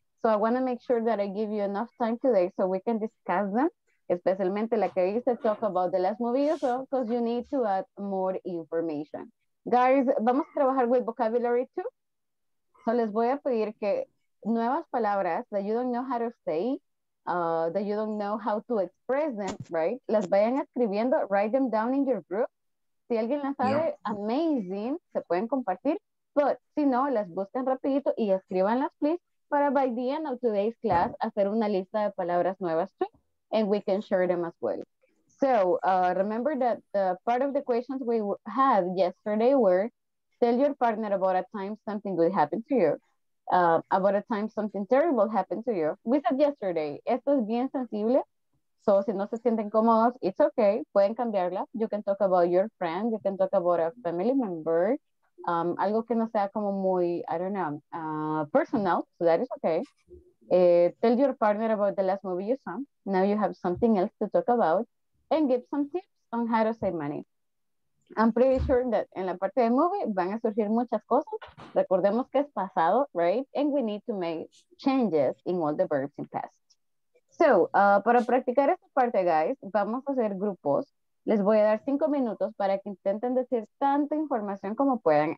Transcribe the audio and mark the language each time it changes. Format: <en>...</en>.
<en>So I want to make sure that I give you enough time today so we can discuss them,</en> <es>especialmente la que dice</es> <en>talk about the last movie, because you need to add more information. Guys,</en> <es>vamos a trabajar</es> <en>with vocabulary too. So</en> <es>les voy a pedir que nuevas palabras</es> <en>that you don't know how to say, that you don't know how to express them, right?</en> <es>Las vayan escribiendo,</es> <en>write them down in your group.</en> <es>Si alguien las sabe, amazing, se pueden compartir.</es> <en>But</en> <es>si no, las busquen rapidito y escríbanlas,</es> <en>please, para by the end of today's class,</en> <es>hacer una lista de palabras nuevas</es> <en>too, and we can share them as well. So remember that the part of the questions we had yesterday were tell your partner about a time something good happened to you, about a time something terrible happened to you. We said yesterday,</en> <es>esto es bien sensible. So si no se sienten cómodos,</es> <en>it's okay.</en> <es>Pueden cambiarla.</es> <en>You can talk about your friend. You can talk about a family member.</en> <es>Algo que no sea como muy, personal.</es> <en>So that is okay. Tell your partner about the last movie you saw. Now you have something else to talk about. And give some tips on how to save money. I'm pretty sure that</en> <es>en la parte de movie van a surgir muchas cosas. Recordemos que es pasado,</es> <en>right? And we need to make changes in all the verbs in past.</en> <es>So, para practicar esta parte, guys, vamos a hacer grupos. Les voy a dar 5 minutos para que intenten decir tanta información como puedan.</es>